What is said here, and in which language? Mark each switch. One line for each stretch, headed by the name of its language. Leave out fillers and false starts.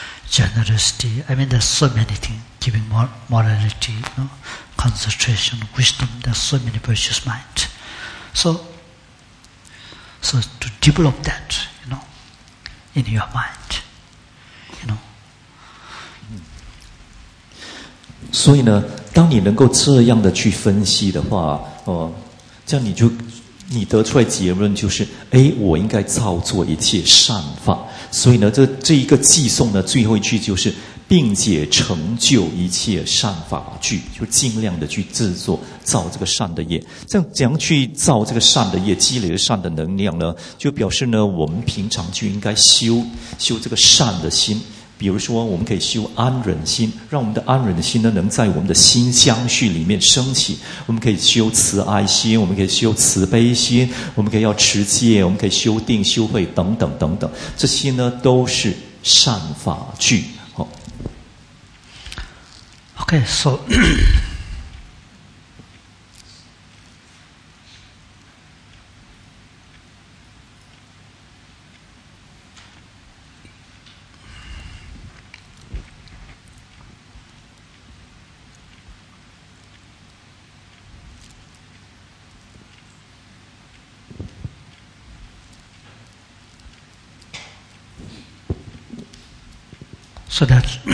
English: generosity. I mean, there's so many things. Giving morality, you know, concentration, wisdom. There's so many virtuous mind. So to develop that, you know, in your mind, you know.
Chinese: 所以呢，当你能够这样的去分析的话，哦，这样你得出来结论就是，哎，我应该造作一切善法。所以呢，这一个寄送呢，最后一句就是，并且成就一切善法具，就尽量的去制作造这个善的业。这样怎样去造这个善的业，积累了善的能量呢？就表示呢，我们平常就应该修这个善的心。比如说，我们可以修安忍心，让我们的安忍心呢，能在我们的心相续里面升起。我们可以修慈爱心，我们可以修慈悲心，我们可以要持戒，我们可以修定、修慧等等等等，这些呢都是善法具。好。
English: Okay, so so that